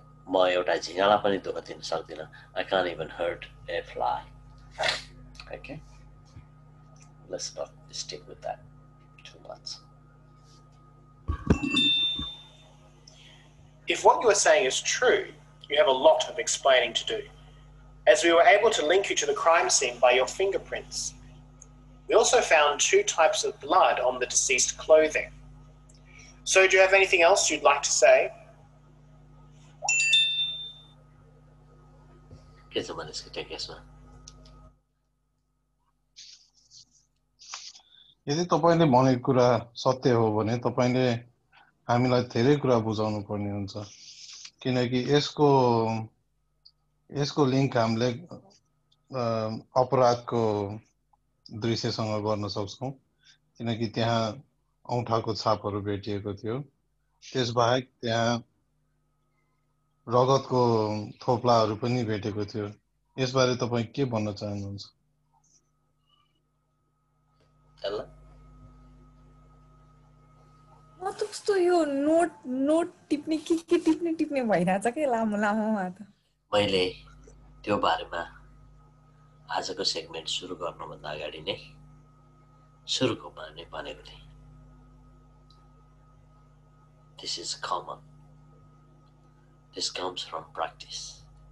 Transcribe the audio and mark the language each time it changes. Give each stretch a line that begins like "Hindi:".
Nepali: My एउटा झिँगालाई पनि दुःख दिन सक्दिनँ.
English: I can't even hurt a fly. Okay? Let's not stick with that too much. If what you are saying is true, you have a lot of explaining to do, as we were able to link you to the crime scene by your fingerprints. We also found two types of blood on the deceased clothing. So do you have anything else you'd like to say?
Nepali: यदि तपाईँले भनेको कुरा सत्य हो भने तपाईँले हामीलाई धेरै कुरा बुझाउनु पर्ने हुन्छ किनकि यसको यसको लिङ्क हामीले अपराधको दृश्यसँग गर्न सक्छौँ किनकि त्यहाँ औँठाको छापहरू भेटिएको थियो त्यसबाहेक त्यहाँ रगतको थोप्लाहरू पनि भेटेको थियो यसबारे तपाईँ के भन्न चाहनुहुन्छ म त कस्तो यो नोट नोट टिप्ने के टिप्ने टिप्ने भइरहेछ के लामो लामोमा त मैले त्यो बारेमा आजको सेगमेन्ट सुरु गर्नुभन्दा अगाडि नै सुरुको भन्ने भनेको थिएँ.
English: This is common. This comes from practice.